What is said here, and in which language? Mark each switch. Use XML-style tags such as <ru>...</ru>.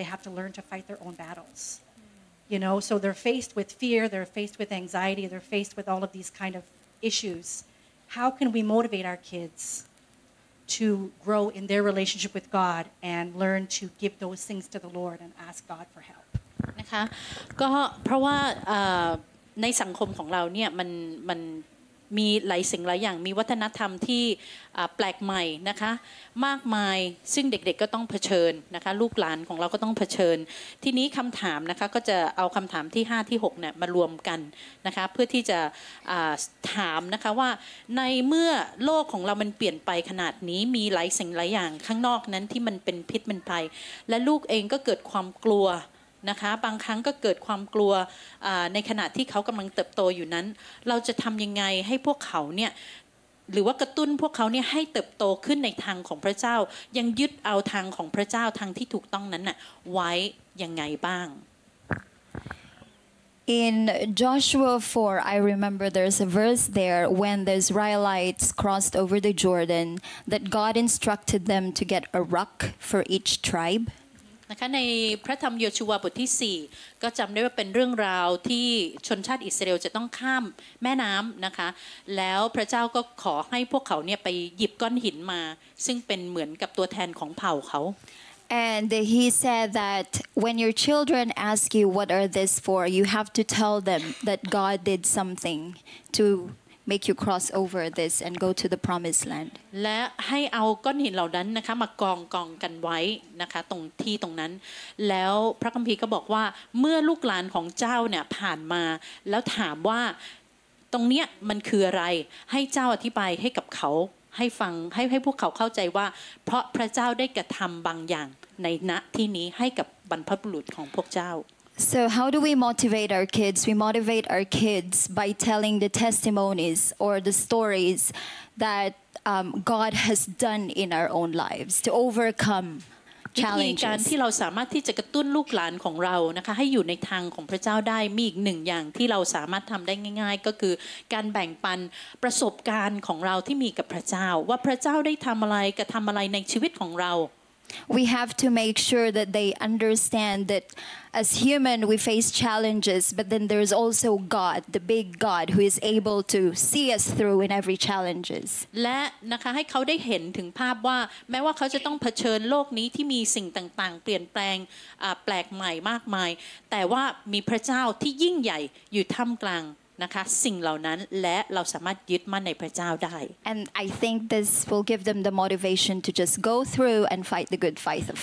<en>They have to learn to fight their own battles. You know, so they're faced with fear, they're faced with anxiety, they're faced with all of these kind of issues. How can we motivate our kids to grow in their relationship with God and learn to give those things to the Lord and ask God for help?</en> <th>นะคะ ก็เพราะว่าในสังคมของเราเนี่ยมันมีหลายสิ่งหลายอย่างมีวัฒนธรรมที่แปลกใหม่นะคะมากมายซึ่งเด็กๆก็ต้องเผชิญนะคะลูกหลานของเราก็ต้องเผชิญทีนี้คำถามนะคะก็จะเอาคำถามที่5ที่6เนี่ยมารวมกันนะคะเพื่อที่จะ ถามนะคะว่าในเมื่อโลกของเรามันเปลี่ยนไปขนาดนี้มีหลายสิ่งหลายอย่างข้างนอกนั้นที่มันเป็นพิษมันภัยและลูกเองก็เกิดความกลัวนะคะบางครั้งก็เกิดความกลัวในขณะที่เขากำลังเติบโตอยู่นั้นเราจะทำยังไงให้พวกเขาเนี่ยหรือว่ากระตุ้นพวกเขาเนี่ยให้เติบโตขึ้นในทางของพระเจ้ายังยึดเอาทางของพระเจ้าทางที่ถูกต้องนั้นน่ะไว้ยังไงบ้าง</th> <en>In Joshua 4 I remember there's a verse there when the Israelites crossed over the Jordan that God instructed them to get a rock for each tribe</en> <th>นะคะในพระธรรมโยชูวาบทที่4ก็จำได้ว่าเป็นเรื่องราวที่ชนชาติอิสราเอลจะต้องข้ามแม่น้ำนะคะแล้วพระเจ้าก็ขอให้พวกเขาเนี่ยไปหยิบก้อนหินมาซึ่งเป็นเหมือนกับตัวแทนของเผ่าเขา</th> <en>And he said that when your children ask you what are this for you have to tell them that God did something to make you cross over this and go to the promised land</en> <th>และให้เอาก้อนหินเหล่านั้นนะคะมากองกันไว้นะคะตรงที่ตรงนั้นแล้วพระคัมภีร์ก็บอกว่าเมื่อลูกหลานของเจ้าเนี่ยผ่านมาแล้วถามว่าตรงเนี้ยมันคืออะไรให้เจ้าอธิบายให้กับเขาให้ฟังให้พวกเขาเข้าใจว่าเพราะพระเจ้าได้กระทําบางอย่างในณที่นี้ให้กับบรรพบุรุษของพวกเจ้า</th> <en>So how do we motivate our kids? We motivate our kids by telling the testimonies or the stories that God has done in our own lives to overcome challenges.</en> <th>การที่เราสามารถที่จะกระตุ้นลูกหลานของเรานะคะให้อยู่ในทางของพระเจ้าได้มีอีกหนึ่งอย่างที่เราสามารถทำได้ง่ายๆก็คือการแบ่งปันประสบการณ์ของเราที่มีกับพระเจ้าว่าพระเจ้าได้ทำอะไรกระทำอะไรในชีวิตของเรา</th> <en>We have to make sure that they understand that as human we face challenges, but then there is also God, the big God, who is able to see us through in every challenges.</en> <th>และนะคะให้เขาได้เห็นถึงภาพว่าแม้ว่าเขาจะต้องเผชิญโลกนี้ที่มีสิ่งต่างๆเปลี่ยนแปลงแปลกใหม่มากมายแต่ว่ามีพระเจ้าที่ยิ่งใหญ่อยู่ท่ามกลางนะคะสิ่งเหล่านั้นและเราสามารถยึดมั่นในพระเจ้าได้</th> <en>And I think this will give them the motivation to just go through and fight the good fight of faith</en>